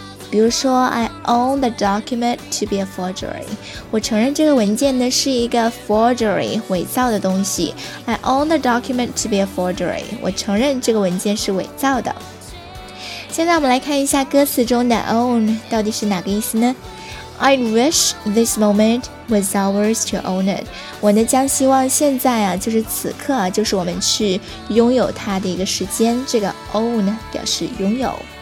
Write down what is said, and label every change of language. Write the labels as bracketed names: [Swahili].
[Chinese] 比如说 [English] I own the document to be a forgery, [Chinese] 我承认这个文件呢是一个 forgery, 伪造的东西。 [English] I own the document to be a forgery, [Chinese] 我承认这个文件是伪造的。现在我们来看一下歌词中的 own 到底是哪个意思呢？ [English] I wish this moment was ours to own it. [Chinese] 我呢将希望现在啊就是此刻啊就是我们去拥有它的一个时间，这个 own 表示拥有。